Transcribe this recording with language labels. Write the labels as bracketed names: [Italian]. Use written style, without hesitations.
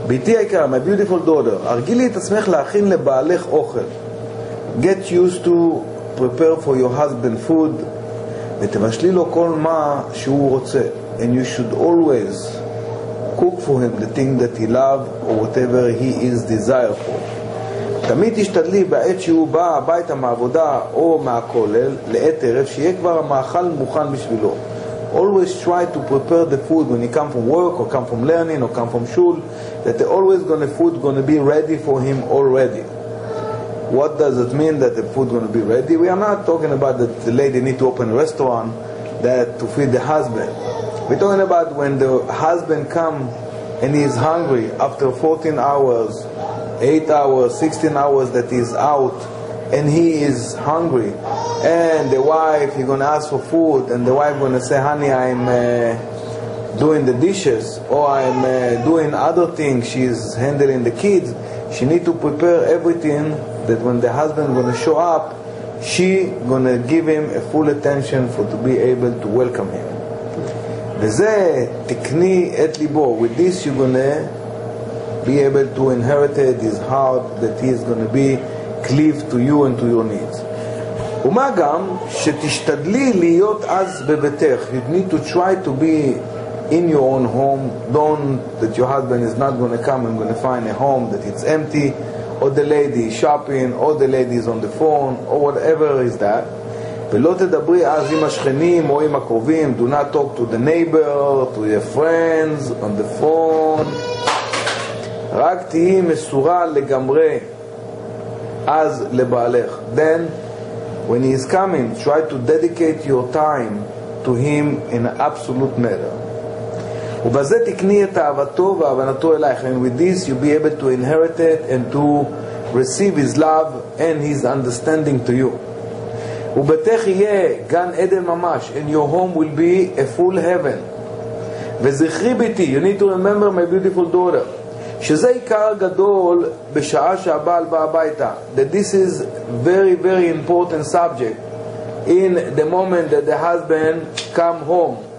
[Hebrew] Biti Aikara, [English] my beautiful daughter, [Hebrew] Argili Tasmech Lachin Le Baalech Ochel. [English] Get used to prepare for your husband food, [Hebrew] ותבשלי לו כל מה שהוא רוצה. [English] And you should always cook for him the thing that he loves or whatever he is desire for. [Hebrew] תמיד תשתדלי בעת שהוא בא הביתה מעבודה או מהכולל לעת ערב שיהיה כבר המאכל מוכן בשבילו. [English] Always try to prepare the food when he come from work or come from learning or come from shul, that the always gonna food gonna be ready for him already. What does it mean that the food gonna be ready? We are not talking about that the lady need to open a restaurant that to feed the husband. We're talking about when the husband come and he's hungry after 14 hours, 8 hours, 16 hours that he's out and he is hungry. And the wife, he's going to ask for food and the wife going to say, honey, I'm doing the dishes or I'm doing other things. She's handling the kids. She need to prepare everything that when the husband going to show up, she going to give him a full attention for to be able to welcome him. [Hebrew] וזה תקני את ליבו. [English] With this you're gonna be able to inherit his heart, that he is gonna be cleaved to you and to your needs. [Hebrew] ומה גם שתשתדלי להיות אז בביתך. [English] You need to try to be in your own home. Don't that your husband is not gonna come and gonna find a home that it's empty, or the lady is shopping, or the lady is on the phone, or whatever is that. [Hebrew] ולא תדברי אז עם השכנים או עם הקרובים. [English] Do not talk to the neighbor, to your friends, on the phone. [Hebrew] רק תהי מסורה לגמרי אז לבעלך. [English] Then, when he is coming, try to dedicate your time to him in an absolute matter. [Hebrew] ובזה תקני את אהבתו והבנתו אלייך. [English] And with this, you'll be able to inherit it and to receive his love and his understanding to you. [Hebrew] ובתך יהיה גן עדן ממש, [English] and your home will be a full heaven. [Hebrew] וזכרי ביתי, [English] you need to remember my beautiful daughter, [Hebrew] שזה עיקר גדול בשעה שהבעל בא הביתה, [English] that this is very very important subject in the moment that the husband come home.